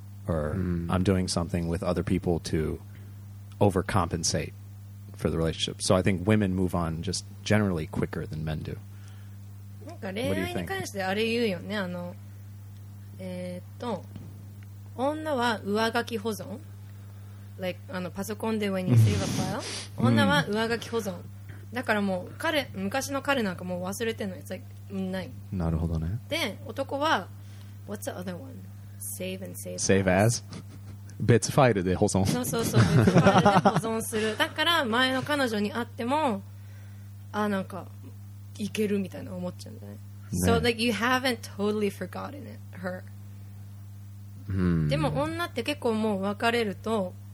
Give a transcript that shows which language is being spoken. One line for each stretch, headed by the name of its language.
English: Or I'm doing something with other people to overcompensate for the relationship. So I think women move on just generally quicker than men do. What do you think? What do you think? What do you think? What do you think? What do you think?
Japanese: Like, あのパソコンで
English: when you save a file?
Japanese: 女は上書き保存。だからもう彼、昔の彼なんかもう忘れてんの、like, ない。なるほどね。で、男は
English: What's the other one? Save and save.
Japanese: Save as? 別ファイルで保存。そうそうそう。別ファイルで保存する。だから前の彼女に会っても、あなんかいけるみたいな思っちゃうんだね。
English: So like you haven't totally forgotten it, her.
Japanese: でも女って結構もう別れると、